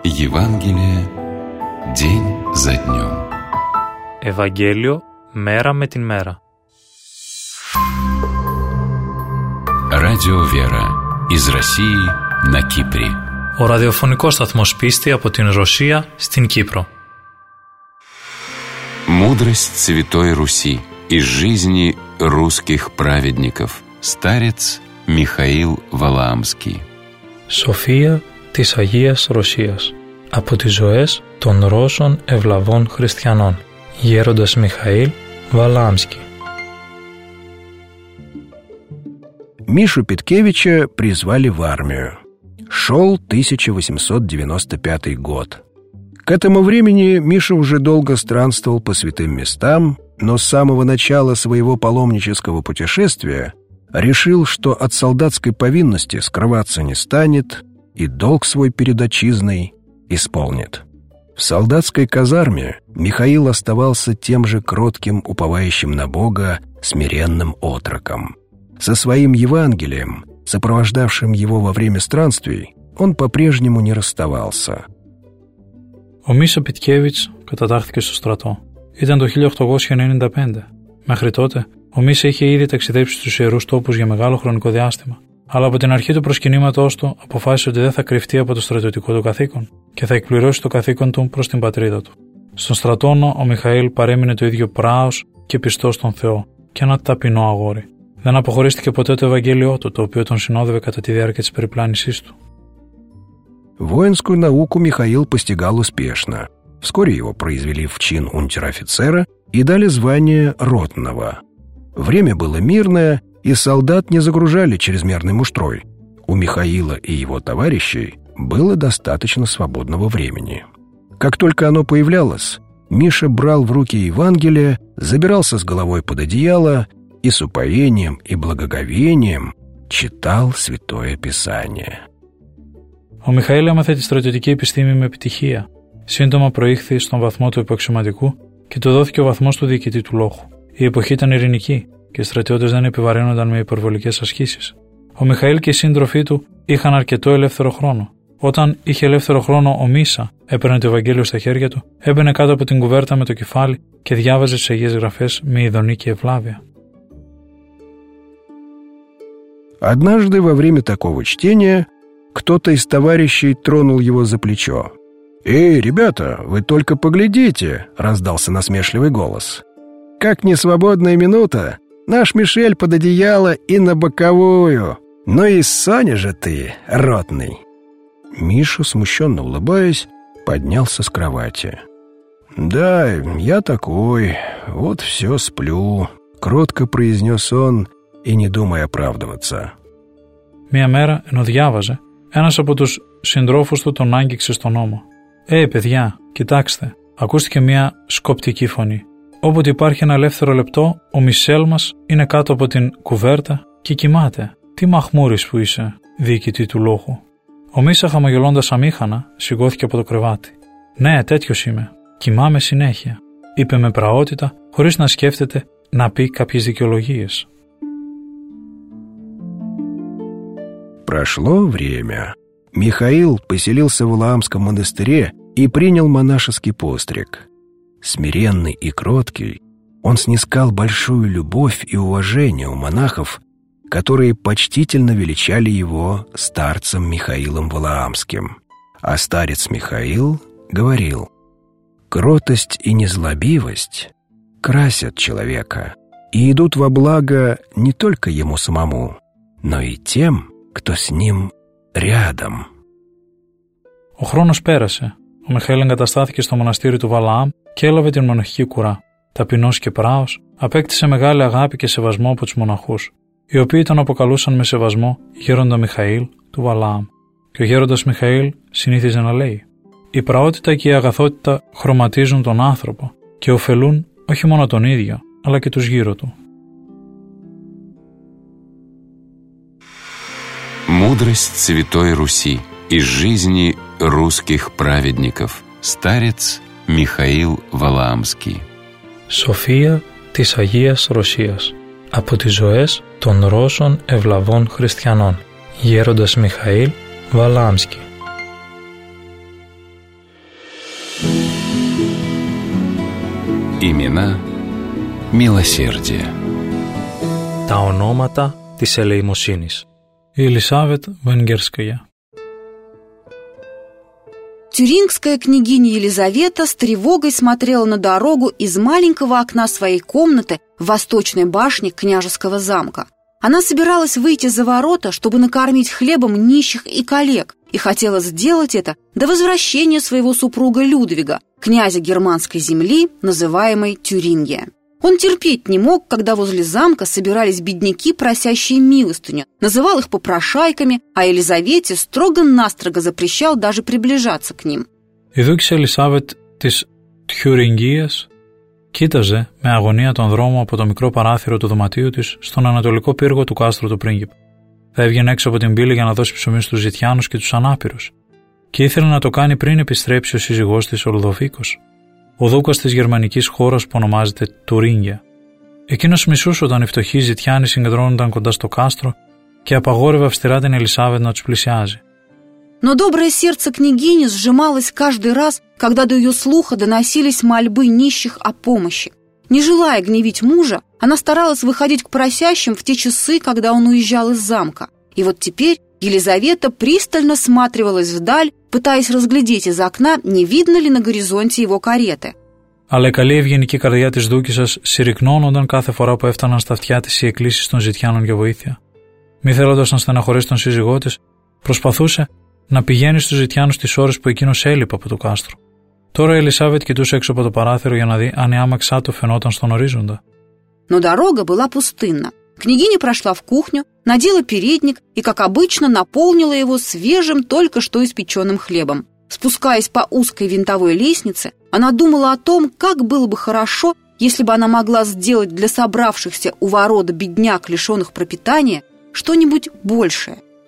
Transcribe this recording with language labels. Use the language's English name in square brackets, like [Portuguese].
[Russian] Евангелие день за днем. [Greek] Евангелие мера με την мера. [Russian] Радио Вера из России на Кипре. [Greek] О радиофонικό сταθμός πίστη από την Ρωσία στην Κύπρο. [Russian] Мудрость Святой Руси из жизни русских праведников. Старец Михаил Валаамский. [Greek] София της Αγίας Ρωσίας. Από τις ζωές των Ρώσων ευλαβών χριστιανών. Γέροντας Μιχαήλ Βαλάμσκι. [Russian] Μίσου Πιτκέβιτσα πρισβάλι в армию. Шел 1895 год. К этому времени Миша уже долго странствовал по святым местам, но с самого начала своего паломнического путешествия решил, что от солдатской повинности скрываться не станет и долг свой перед отчизной исполнит. В солдатской казарме Михаил оставался тем же кротким, уповающим на Бога, смиренным отроком. Со своим Евангелием, сопровождавшим его во время странствий, он по-прежнему не расставался. [Greek] Ο Μίσο Πιτκέβιτς κατατάχθηκε στο στρατό. Ήταν το 1895. Μέχρι τότε, ο Μίσο είχε ήδη ταξιδέψει στους ιερούς τόπους για μεγάλο χρονικό διάστημα. Αλλά από την αρχή του προσκυνήματός του αποφάσισε ότι δεν θα κρυφτεί από το στρατιωτικό του καθήκον και θα εκπληρώσει το καθήκον του προς την πατρίδα του. Στον στρατόνο ο Μιχαήλ παρέμεινε το ίδιο πράος και πιστός στον Θεό και ένα ταπεινό αγόρι. Δεν αποχωρίστηκε ποτέ το Ευαγγέλιο του, το οποίο τον συνόδευε κατά τη διάρκεια της περιπλάνησής του. [Russian] Воинскую науку Михаил постигал успешно. Вскоре его произвели в чин унтер-офицера и дали звание ротного. Время было мирное, и солдат не загружали чрезмерный муштрой. У Михаила и его товарищей было достаточно свободного времени. Как только оно появлялось, Миша брал в руки Евангелие, забирался с головой под одеяло и с упоением и благоговением читал Святое Писание. [Greek] Ο Μιχαήλ έμαθε τη στρατιωτική επιστήμη με επιτυχία. Σύντομα προήχθη στον βαθμό του υποαξιωματικού και του δόθηκε ο βαθμός του διοικητή του λόχου. Η εποχή ήταν ειρηνική και οι στρατιώτες δεν επιβαρύνονταν με υπερβολικές ασκήσεις. Ο Μιχαήλ και οι σύντροφοί του είχαν αρκετό ελεύθερο χρόνο. Όταν είχε ελεύθερο χρόνο, ο Μίσα έπαιρνε το Ευαγγέλιο στα χέρια του, έμπαινε κάτω από την κουβέρτα με το κεφάλι και διάβαζε τις Αγίες Γραφές με ειδονή και ευλάβεια. [Russian] Однажды во время такого чтения кто-то из товарищей тронул его за плечо. «Эй, ребята, вы только поглядите!» — раздался насмешливый голос. «Как не свободная минута! Наш Мишель под одеяло и на боковую! Ну и Соня же ты, ротный!» Миша, смущенно улыбаясь, поднялся с кровати. «Да, я такой, вот все сплю», — кротко произнес он и не думая оправдываться. [Greek] «Мия мера, но дьяважа!» Ένας από τους συντρόφους του τον άγγιξε στον ώμο. «Ε, παιδιά, κοιτάξτε», ακούστηκε μια σκοπτική φωνή. «Όποτε υπάρχει ένα ελεύθερο λεπτό, ο Μισελ μας είναι κάτω από την κουβέρτα και κοιμάται. Τι μαχμούρης που είσαι, διοικητή του λόχου». Ο Μίσα, χαμογελώντας αμήχανα, σηκώθηκε από το κρεβάτι. «Ναι, τέτοιος είμαι. Κοιμάμαι συνέχεια», είπε με πραότητα, χωρίς να σκέφτεται να πει κάποιες δικαιολογίες. [Russian] Прошло время. Михаил поселился в Валаамском монастыре и принял монашеский постриг. Смиренный и кроткий, он снискал большую любовь и уважение у монахов, которые почтительно величали его старцем Михаилом Валаамским. А старец Михаил говорил: «Кротость и незлобивость красят человека и идут во благо не только ему самому, но и тем, кто с ним рядом». [Greek] Ο χρόνος πέρασε. Ο Μιχαήλ εγκαταστάθηκε στο μοναστήρι του Βαλαάμ και έλαβε την μοναχική κουρά. Ταπεινός και πράος, απέκτησε μεγάλη αγάπη και σεβασμό από τους μοναχούς, οι οποίοι τον αποκαλούσαν με σεβασμό γέροντα Μιχαήλ του Βαλαάμ. Και ο γέροντας Μιχαήλ συνήθιζε να λέει: «Η πραότητα και η αγαθότητα χρωματίζουν τον άνθρωπο και ωφελούν όχι μόνο τον ίδιο, αλλά και τους γύρω του». [Russian] Мудрость Святой Руси из жизни русских праведников. Старец Михаил Валаамский. [Greek] София της Агίας Ρωσίας. από τις ζωές των Ρώσων ευλαβών χριστιανών. Γέροντας Μιχαήλ Βαλάμσκι. [Russian] Имена милосердия. [Greek] Τα ονόματα της ελεημοσύνης. [Russian] Елисавет Венгерская. Тюрингская княгиня Елизавета с тревогой смотрела на дорогу из маленького окна своей комнаты в восточной башне княжеского замка. Она собиралась выйти за ворота, чтобы накормить хлебом нищих и коллег, и хотела сделать это до возвращения своего супруга Людвига, князя германской земли, называемой Тюрингия. Он терпеть не мог, когда возле замка собирались бедняки, просящие милостыню, называл их попрошайками, а Елизавете строго-настрого запрещал даже приближаться к ним. [Greek] Идучи Елизавет из Тюрингиас, κοίταζε με αγωνία τον δρόμο από το μικρό παράθυρο του δωματίου της στον ανατολικό πύργο του κάστρου του πρίγκιπα. Θα έβγαινε έξω από την πύλη για να δώσει ψωμί στους ζητιάνους και τους ανάπηρους. Και ήθελε να το κάνει πριν επιστρέψει ο σύζυγός της, ο Λουδοβίκος, ο δούκας της γερμανικής χώρας που ονομάζεται Τουρίνγια. Εκείνος μισούσε όταν οι φτωχοί ζητιάνοι συγκεντρώνονταν κοντά στο κάστρο και απαγόρευε αυστηρά την Ελισάβετ να τους πλησιάζει. [Russian] Но доброе сердце княгини сжималось каждый раз, когда до ее слуха доносились мольбы нищих о помощи. Не желая гневить мужа, она старалась выходить к просящим в те часы, когда он уезжал из замка. И вот теперь Елизавета пристально всматривалась вдаль, пытаясь разглядеть из окна, не видно ли на горизонте его кареты. [Greek] Але καλή ευγενική καρδιά της δούκισσας συρρυκνώνονταν κάθε φορά που έφταναν στα αυτιά της οι εκκλήσεις των ζητιάνων για βοήθεια. Μη θέλοντας να στεναχωρήσει τον σύζυγό της, προσπαθούσε να πηγαίνει στους ζητιάνους τις ώρες που εκείνος έλειπε από το κάστρο. Τώρα η Ελισάβετ κοιτούσε έξω από το παράθυρο για να δει αν η άμαξά του φαινόταν στον ορίζοντα. [Russian] Но дорога была пустынна. Княгиня прошла в кухню, надела передник и, как обычно, наполнила его свежим, только что испеченным хлебом. Спускаясь по узкой винтовой лестнице, она думала о том, как было бы хорошо, если бы она могла сделать для собравшихся у ворот бедняк, лишенных пропитания, что-нибудь большее.